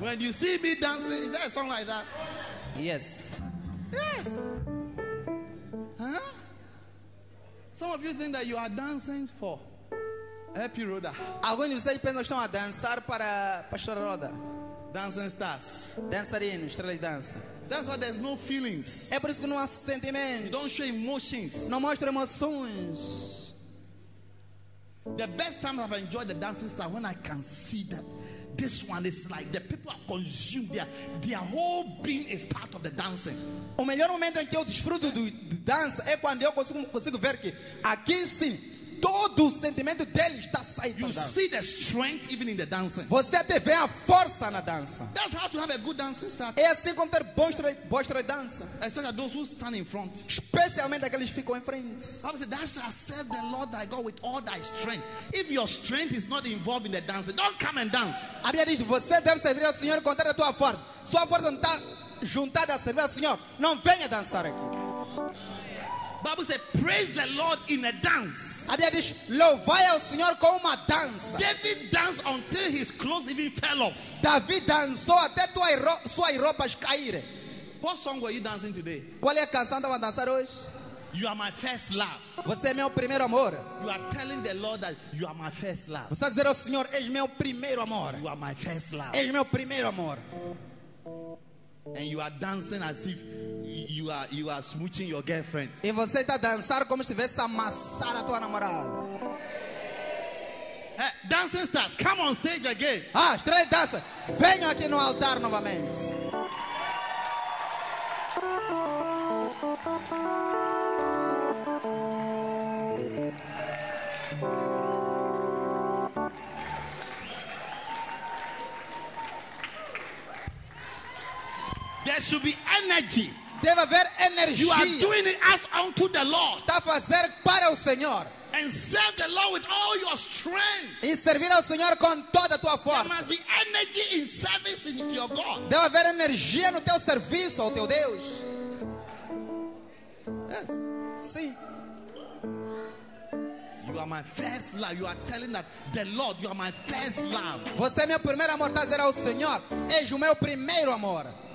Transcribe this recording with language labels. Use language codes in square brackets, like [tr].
[en] When you see me dancing, is there a song like that? Yes. Yes. Huh? Some of you think that you are dancing for Happy Roda. [pt] Alguns de vocês pensam que estão a dançar para Pastor Roda. [en] Dancing stars. [pt] Dançarinos, estrelas de dança. [en] That's why there's no feelings. [pt] É por isso que não há sentimentos. [en] You don't show emotions. [pt] Não mostra emoções. [en] The best time I've enjoyed the dancing star when I can see that this one is like the people are consumed. Their whole being is part of the dancing. [pt] O melhor momento em que eu desfruto do dança é quando eu consigo ver que aqui sim todo o sentimento dele está saindo. [en] You see the strength even in the dancing. [pt] Você até vê a força na dança. [en] That's how to have a good dancing star. [pt] É assim como ter boas estrelas de dança. [en] Especially those who stand in front. [pt] Especialmente aqueles que ficam em frente. [en] Obviously, thou shalt serve the Lord thy God with all thy strength. If your strength is not involved in the dancing, don't come and dance. [pt] A Bíblia diz: você deve servir ao Senhor com toda a tua força. Se tua força não está juntada a servir ao Senhor, não venha dançar aqui. [en] Bible says, praise the Lord in a dance. [pt] A Bíblia diz, louvai ao Senhor com uma dança. [en] David danced until his clothes even fell off. [pt] Davi dançou até suas roupas caírem. [en] What song were you dancing today? [pt] Qual é a canção que estava a dançar hoje? [en] You are my first love. [pt] Você é meu primeiro amor. [en] You are telling the Lord that you are my first love. [pt] Você está dizendo ao Senhor, és meu primeiro amor. [en] You are my first love. [pt] És meu primeiro amor. [en] And you are dancing as if you are smooching your girlfriend. [pt] E você está dançando como se estivesse amassar a tua namorada. [en] Hey, dancing stars, come on stage again. [pt] Ah, estrela de dança, venha aqui no altar novamente. [en] There should be energy. [pt] Deve haver energia. [en] You are doing it as unto the Lord. [pt] Está a fazer para o Senhor. [en] And serve the Lord with all your strength. [pt] E servir ao Senhor com toda a tua força. [en] There must be energy in service in your God. [pt] Deve haver energia no teu serviço ao teu Deus. [en] Yes. [pt] Sim. [en] You are my first love. You are telling that the Lord, you are my first love. [pt] Você é meu primeiro amor. Está a dizer ao Senhor, és o meu primeiro amor.